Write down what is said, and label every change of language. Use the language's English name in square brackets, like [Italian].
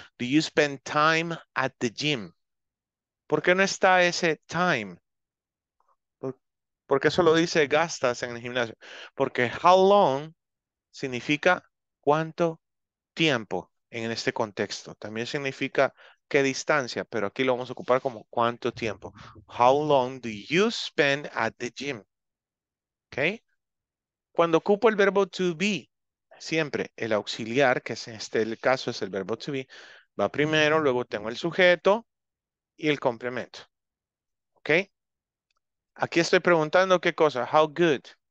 [English] Do you spend time at the gym? [Spanish] ¿Por qué no está ese time? ¿Por qué solo dice gastas en el gimnasio? Porque [English] how long [Spanish] significa cuánto tiempo en este contexto. También significa qué distancia, pero aquí lo vamos a ocupar como cuánto tiempo. [English] How long do you spend at the gym? ¿Ok? [Spanish] Cuando ocupo el verbo to be, siempre el auxiliar, que es en este el caso es el verbo to be, va primero, luego tengo el sujeto y el complemento. ¿Ok? Aquí estoy preguntando qué cosa. [English] How good?